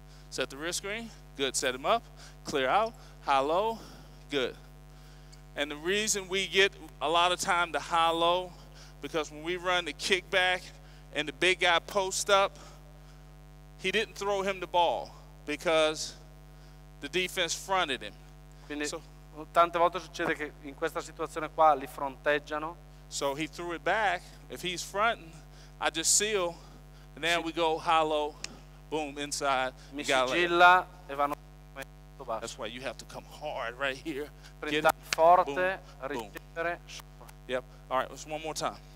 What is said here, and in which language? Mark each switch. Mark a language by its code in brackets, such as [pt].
[en] Set the rear screen. Good. Set him up. Clear out. High low. Good. And the reason we get a lot of time to high low, Because when we run the kickback and the big guy post up, he didn't throw him the ball because the defense fronted him. [it] Quindi, so, tante volte succede che in questa situazione qua li fronteggiano. [en] So he threw it back. If he's fronting, I just seal, and then we go hollow, boom, inside. [it] Mi sigilla e vanno. [en] That's why you have to come hard right here. Get [it] forte, boom, ricevere. [en] Boom. Yep. All right. Just one more time.